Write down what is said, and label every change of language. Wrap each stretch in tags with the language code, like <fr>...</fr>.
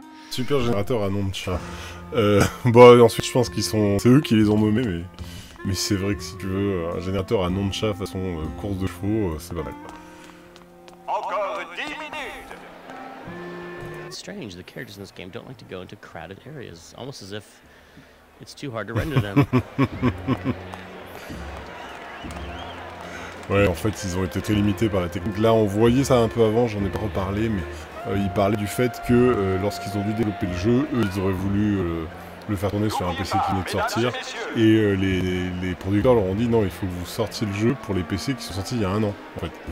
<fr>Super générateur à nom de chat. Bon, ensuite, je pense qu'ils sont. C'est eux qui les ont nommés, mais c'est vrai que si tu veux, un générateur à nom de chat façon course de chevaux, c'est pas mal. Encore 10 minutes!</fr> <en>It's strange, the characters in this game don't like to go into crowded areas, almost as if it's too hard to render them.</en> <fr>Ouais, en fait, ils ont été très limités par la technique. Là, on voyait ça un peu avant, j'en ai pas reparlé, mais. Ils parlaient du fait que lorsqu'ils ont dû développer le jeu, eux, ils auraient voulu le faire tourner sur un PC qui venait de sortir. Et les producteurs leur ont dit non, il faut que vous sortiez le jeu pour les PC qui sont sortis il y a un an, en fait.</fr>